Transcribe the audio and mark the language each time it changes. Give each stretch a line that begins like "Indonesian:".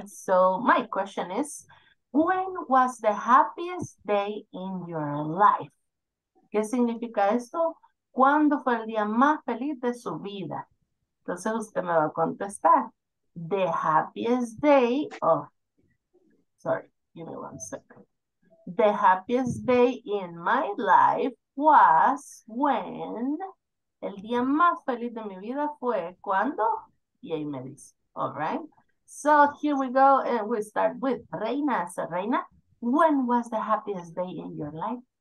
English: So my question is, when was the happiest day in your life?
Spanish: ¿Qué significa esto? ¿Cuándo fue el día más feliz de su vida? Entonces usted me va a contestar.
English: The happiest day of. Sorry, give me one second. The happiest day in my life was when.
Spanish: El día más feliz de mi vida fue cuando. Y ahí me dice.
English: All right. So here we go and we start with Reina. So Reina, when was the happiest day in your life?